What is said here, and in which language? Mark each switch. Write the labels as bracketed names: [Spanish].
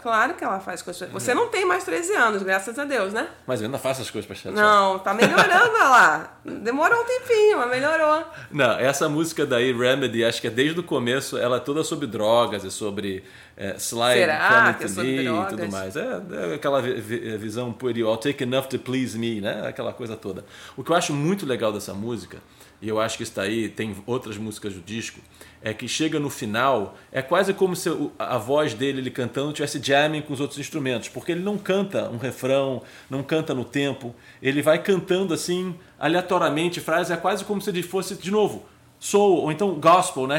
[Portuguese] Claro que ela faz as coisas pra... Você não tem mais 13 anos, graças a Deus, né? Mas eu ainda faço as coisas pra chatear. Não, tá melhorando ela. Demorou um tempinho, mas melhorou. Não, essa música daí, Remedy, acho que é desde o começo, ela é toda sobre drogas e sobre... Slide, será? [English] Coming [Portuguese] que to Me e tudo mais. É aquela... visão pueril, [English] I'll take enough to please me, né? [Portuguese] Aquela coisa toda. O que eu acho muito legal dessa música, e eu acho que está aí, tem outras músicas do disco, é que chega no final, é quase como se a voz dele, ele cantando, tivesse jamming com os outros instrumentos, porque ele não canta um refrão, não canta no tempo, ele vai cantando assim, aleatoriamente, frases, é quase como se ele fosse, de novo, soul, ou então gospel, né?